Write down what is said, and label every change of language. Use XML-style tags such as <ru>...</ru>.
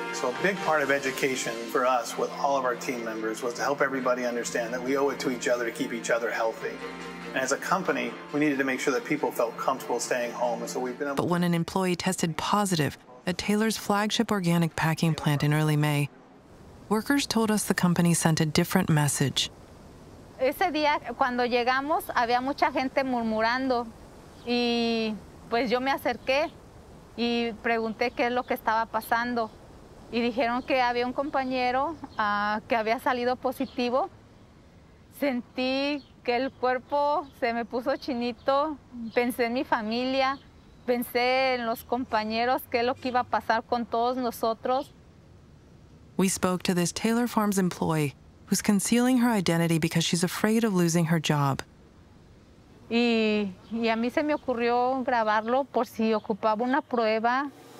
<en>So a big part of education for us with all of our team members was to help everybody understand that we owe it to each other to keep each other healthy. And as a company, we needed to make sure that people felt comfortable staying home. And so we've been. But when an employee tested positive at Taylor's flagship organic packing plant in early May, workers told us the company sent a different message.</en> <es>Ese día, cuando llegamos, había mucha gente murmurando. Y pues yo me acerqué y pregunté qué es lo que estaba pasando. Y dijeron que había un compañero que había salido positivo. Sentí que el cuerpo se me puso chinito. Pensé en mi familia, pensé en los compañeros, qué es lo que iba a pasar con todos nosotros.</es> <en>We spoke to this Taylor Farms employee who's concealing her identity because she's afraid of losing her job.</en> <es>Y a mí se me ocurrió grabarlo por si ocupaba una prueba.</es>